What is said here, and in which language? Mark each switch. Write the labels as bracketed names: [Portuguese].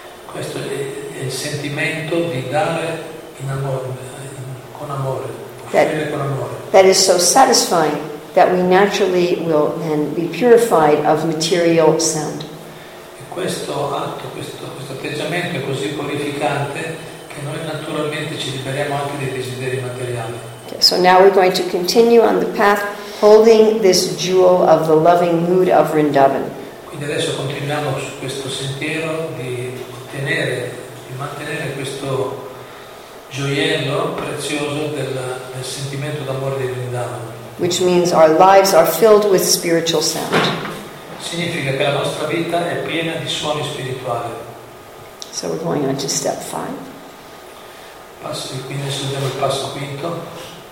[Italian] Questo è il sentimento di dare in amore, con amore, offrire con amore. [English] That is so satisfying that we naturally will then be purified of material sound. [Italian] E questo atto, questo atteggiamento è così purificante che noi naturalmente ci liberiamo anche dei desideri materiali. [English] Okay, so now we're going to continue on the path holding this jewel of the loving mood of Vrindavan. [Italian] Quindi adesso continuiamo su questo sentiero di mantenere questo gioiello prezioso del sentimento d'amore di Vrindavan. [English] Which means our lives are filled with spiritual sound. [Italian] Significa che la nostra vita è piena di suoni spirituali. [English] So we're going on to step 5. [Italian] Passo di qui, adesso andiamo al passo quinto.